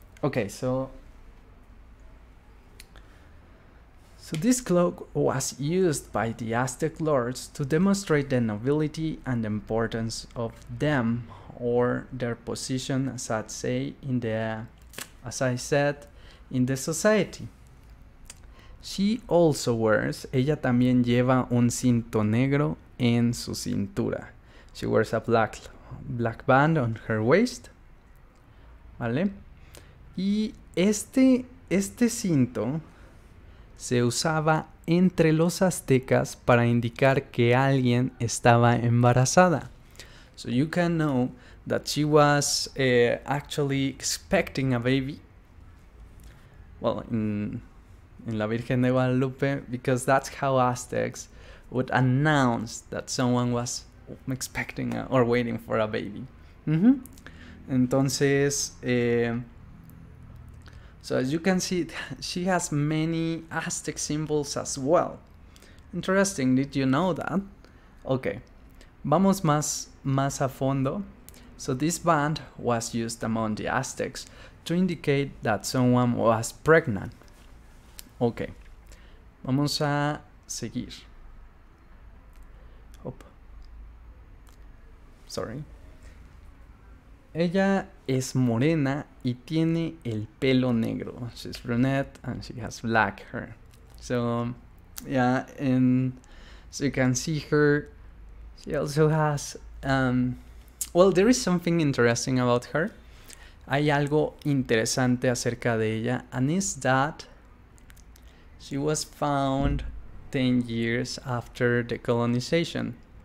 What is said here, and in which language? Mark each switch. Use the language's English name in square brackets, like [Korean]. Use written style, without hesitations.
[English] Okay, so this cloak was used by the Aztec lords to demonstrate the nobility and importance of them or their position, as I'd say, in the as I said, in the society. She also wears, [Spanish] ella también lleva un cinto negro en su cintura. [English] She wears a black Black Band on Her Waist, [Spanish] ¿vale? Y este cinto se usaba entre los aztecas para indicar que alguien estaba embarazada. [English] So you can know that she was actually expecting a baby. Well, en la Virgen de Guadalupe, because that's how Aztecs would announce that someone was expecting a, or waiting for a baby. [Spanish] Entonces, [English] so as you can see, she has many Aztec symbols as well. Interesting, did you know that? Okay, [Spanish] vamos más a fondo. [English] So this band was used among the Aztecs to indicate that someone was pregnant. [Spanish] Okay, vamos a seguir. [English] Sorry. [Spanish] Ella es morena y tiene el pelo negro. [English] She's brunette and she has black hair. So, yeah, and so you can see her. She also has. Well, there is something interesting about her. [Spanish] Hay algo interesante acerca de ella, [English] and is that she was found 10 years after the colonization.